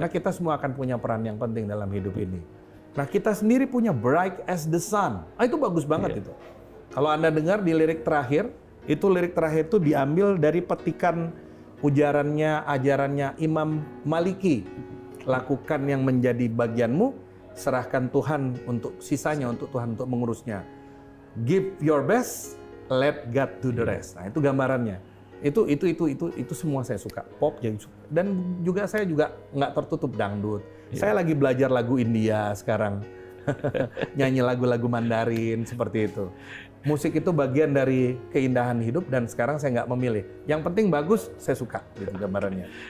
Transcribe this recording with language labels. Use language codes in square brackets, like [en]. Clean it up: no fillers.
[id] Karena kita semua akan punya peran yang penting dalam hidup ini. Nah, kita sendiri punya Bright as the Sun. Itu bagus banget itu. Kalau Anda dengar di lirik terakhir, itu lirik terakhir itu diambil dari petikan ajarannya Imam Maliki. Lakukan yang menjadi bagianmu, serahkan Tuhan untuk sisanya, untuk Tuhan untuk mengurusnya. [en] Give your best, let God do the rest. [id] Nah, itu gambarannya. Itu semua saya suka. Pop yang suka. Dan juga saya juga nggak tertutup dangdut. Yeah. Saya lagi belajar lagu India sekarang. Nyanyi lagu-lagu Mandarin, seperti itu. Musik itu bagian dari keindahan hidup dan sekarang saya nggak memilih. Yang penting bagus, saya suka gitu gambarannya.